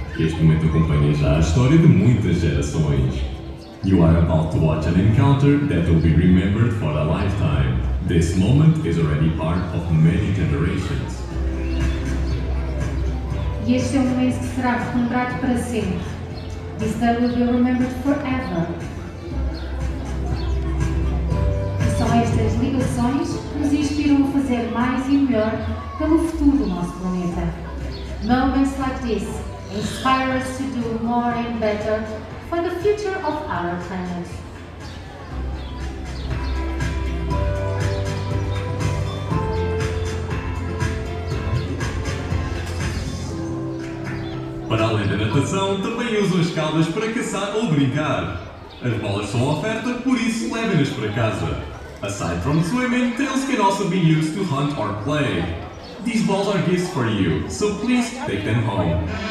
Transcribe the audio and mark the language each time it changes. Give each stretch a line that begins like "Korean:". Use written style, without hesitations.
Portuguese: Este momento acompanha já a história de muitas gerações.
English: You are about to watch an encounter that will be remembered for a lifetime. This moment is already part of many generations.
Portuguese: Este é um momento que será recordado para sempre.
English: This day will be remembered forever.
Portuguese: E são estas ligações que nos inspiram a fazer mais e melhor pelo futuro do nosso planeta.
English: Moments like this inspire us to do more and better for the future of our planet.
Portuguese: Para além da natação, também usam as caldas para caçar ou brincar. As bolas são oferta, por isso levem-nas para casa.
English: Aside from swimming, tails can also be used to hunt or play. These balls are gifts for you, so please take them home.